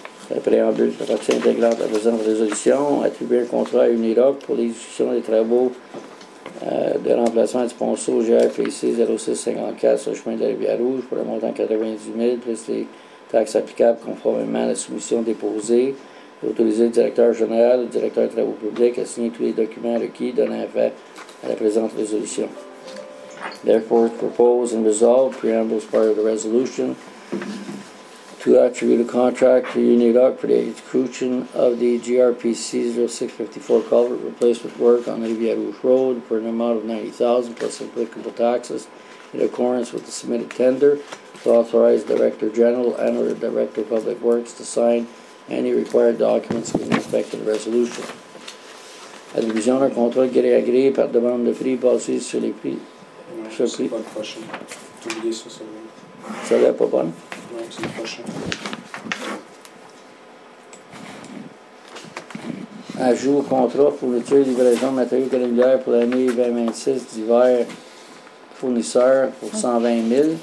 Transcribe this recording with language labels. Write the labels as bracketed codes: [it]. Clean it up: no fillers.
[fr] La préambule de partie intégrante à la présente résolution. Attribuer un contrat à Uniroc pour l'exécution des travaux de remplacement du ponceau GRPC 0654 sur le chemin de la Rivière Rouge pour un montant de $90,000 plus les taxes applicables conformément à la soumission déposée, d'autoriser le directeur général et le directeur des travaux publics à signer tous les documents requis donnant effet à la présente résolution. [en] Therefore, it's proposed and resolved, preamble is part of the resolution, to attribute a contract to Uniroc for the execution of the GRPC 0654 culvert replacement work on the Rivière Rouge Road for an amount of $90,000 plus applicable taxes in accordance with the submitted tender, to authorize Director General and or Director of Public Works to sign any required documents in respect to the resolution. [fr] La division d'un contrat gré à gré par demande de prix basée sur les prix. Non, c'est prix. Pas le prochain. T'as oublié ça, celle-là. Ça l'air pas bonne? Non, c'est le prochain. Ajout au contrat fourniture et livraison de matériaux granulaires pour l'année 2026 divers fournisseurs pour 120 000.